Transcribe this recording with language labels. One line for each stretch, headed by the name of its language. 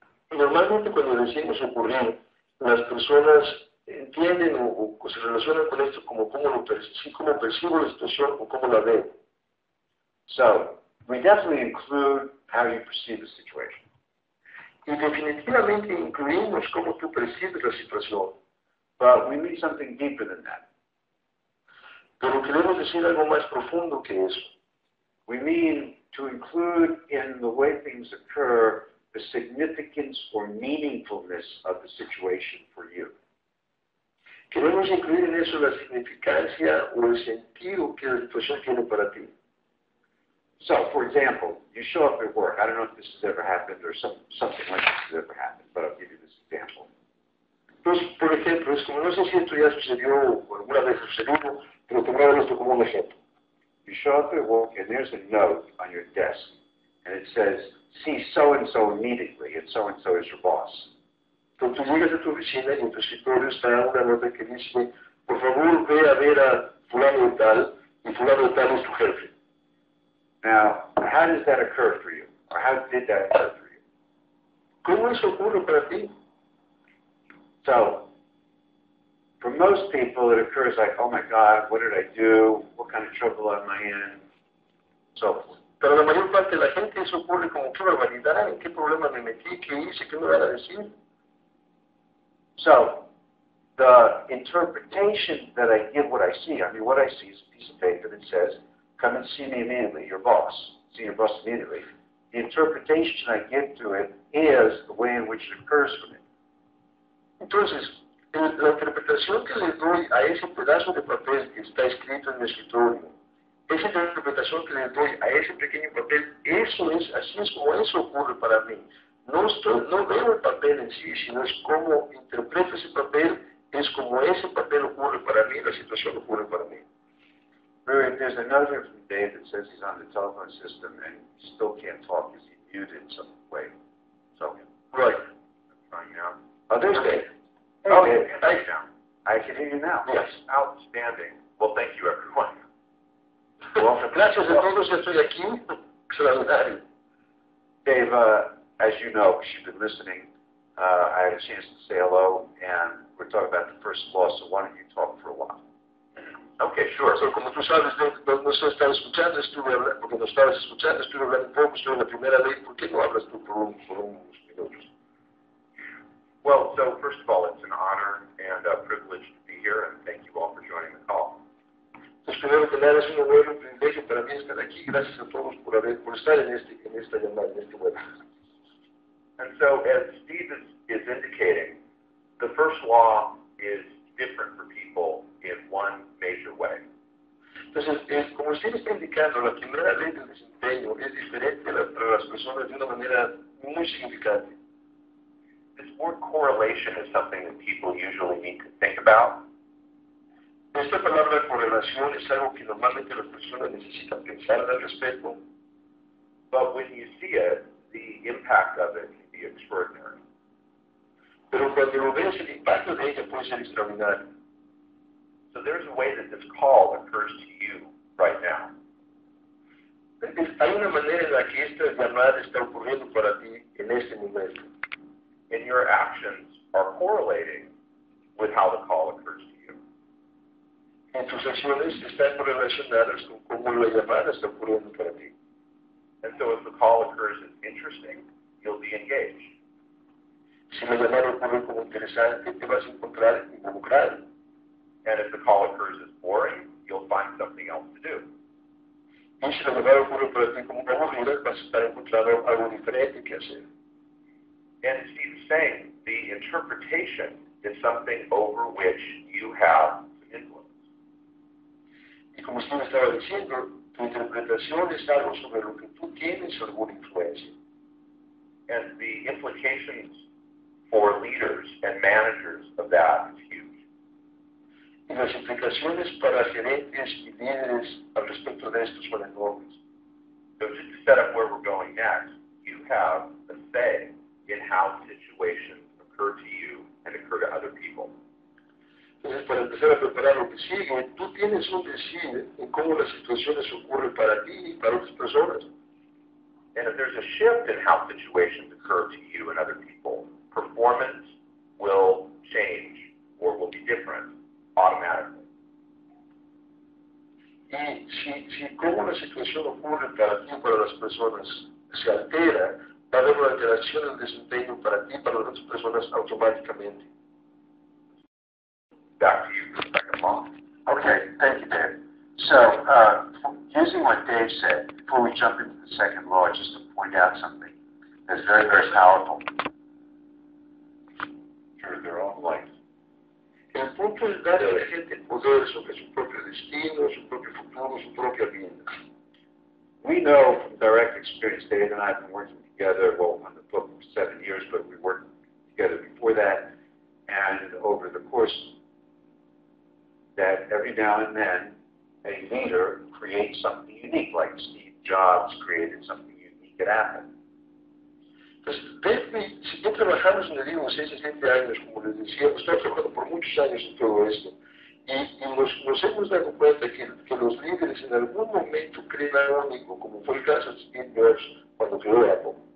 Spanish: Normalmente cuando decimos ocurrir, las personas entienden o se relacionan con esto como cómo percibo la situación o cómo la veo.
English: So, we definitely include how you perceive the situation.
Spanish: Y definitivamente incluimos cómo tú percibes la situación.
English: But we need something deeper than that.
Spanish: Pero queremos decir algo más profundo que eso.
English: We mean to include in the way things occur the significance or meaningfulness of the situation for you.
Spanish: Queremos incluir en eso la significancia o el sentido que la situación tiene para ti.
English: So, for example, you show up at work. I don't know if this has ever happened or something like this has ever happened, but I'll give you this example.
Spanish: Entonces, por ejemplo, es como no sé si esto ya sucedió o alguna vez sucedió, pero tomemos esto como un ejemplo.
English: You show up at work and there's a note on your desk, and it says, see so-and-so immediately, and so-and-so is your boss.
Spanish: Entonces, tú llegas a tu oficina y en tu escritorio está una nota que dice, por favor, ve a ver a fulano de tal, y fulano de tal es tu jefe.
English: Now, how does that occur for you? Or how did that occur for you?
Spanish: ¿Cómo eso ocurre para ti?
English: So, for most people, it occurs like, oh my God, what did I do? What kind of trouble am I in? So forth.
Spanish: Pero la mayor parte de la gente eso ocurre como qué barbaridad, en qué problema me metí, qué hice, qué me van a decir.
English: So, the interpretation that I give what I see, I mean, what I see is a piece of paper that says, come and see me immediately, your boss. See your boss immediately. The interpretation I give to it is the way in which it occurs for me.
Spanish: Entonces, la interpretación que le doy a ese pedazo de papel que está escrito en mi escritorio, esa interpretación que le doy a ese pequeño papel, eso es, así es como eso ocurre para mí. No veo el papel en sí, sino es como interpreto ese papel, es como ese papel ocurre para mí, la situación ocurre para mí.
English: Really, there's another from Dave that says he's on the telephone system and he still can't talk because he's muted in some way. So, right. I'm trying now. Oh, there's Dave. Hey, oh, Dave. I can hear you now. Yes. Outstanding. Well, thank you, everyone.
Spanish: Gracias a todos, estoy aquí.
English: Dave, as you know, because you've been listening, I had a chance to say hello and we're talking about the first law, so why don't you talk for a while? Okay, sure.
Spanish: So, como tú sabes, no estabas escuchando, estuve hablando un poco sobre la primera ley. ¿Por qué no hablas tú por unos minutos?
English: Well, so, first of all, it's an honor and a privilege to be here, and thank you all for joining the call.
Spanish: Pues primero que nada, es un honor y un privilegio para mí estar aquí. Gracias a todos por estar en esta llamada, en este webinar.
English: And so, as Steve is indicating, the first law is different for people in one major way.
Spanish: Entonces, como usted está indicando, la primera ley del desempeño es diferente para las personas de una manera muy significante.
English: This word correlation is something that people usually need to think about.
Spanish: Esta palabra correlación es algo que normalmente las personas necesitan pensar al respecto.
English: But when you see it, the impact of it can be extraordinary.
Spanish: Pero cuando lo ves, el impacto de ella puede ser extraordinario.
English: So there's a way that this call occurs to you right now.
Spanish: hay una manera en la que esta llamada está ocurriendo para ti en ese momento.
English: And your actions are correlating with how the call occurs to you.
Spanish: Y tus acciones están relacionadas con cómo la llamada está ocurriendo para ti.
English: And so if the call occurs as interesting, you'll be engaged.
Spanish: Si la llamada ocurre como interesante, te vas a encontrar involucrado.
English: And if the call occurs as boring, you'll find something else to do.
Spanish: Y si la llamada ocurre para ti como aburrida, vas a estar encontrando algo diferente que hacer.
English: And Steve's saying the interpretation is something over which you have some influence.
Spanish: Y como Steve estaba diciendo, tu interpretación es algo sobre lo que tú tienes alguna influencia.
English: And the implications for leaders and managers of that is huge.
Spanish: Y las implicaciones para gerentes y líderes al respecto de esto son enormes.
English: So just to set up where we're going next, you have a say in how situations occur to you and occur to other people.
Spanish: Entonces, para empezar a preparar lo que sigue, tú tienes un decir en cómo las situaciones ocurren para ti y para otras personas.
English: And if there's a shift in how situations occur to you and other people, performance will change or will be different automatically.
Spanish: Y si cómo la situación ocurre para ti y para las personas se altera, va a haber una alteración del desempeño para ti y para otras personas automáticamente.
English: Back to you, Rebecca Mom. Okay, thank you, Dave. So, using what Dave said, before we jump into the second law, just to point out something that's very, very powerful. Sure, their own life.
Spanish: El punto es dar a la gente poder sobre su propio destino, su propio futuro, su propia vida.
English: We know from direct experience, Dave and I have been working together, well, on the book for 7 years, but we worked together before that, and over the course, that every now and then, a leader creates something unique, like Steve Jobs created something unique at Apple.
Spanish: Pues, Dave, si yo trabajamos en el libro 6 o 7 años, como les decía, hemos trabajado por muchos años en todo esto, y nos hemos dado cuenta que los líderes en algún momento creen algo único, como fue el caso de Steve Jobs cuando creó Apple.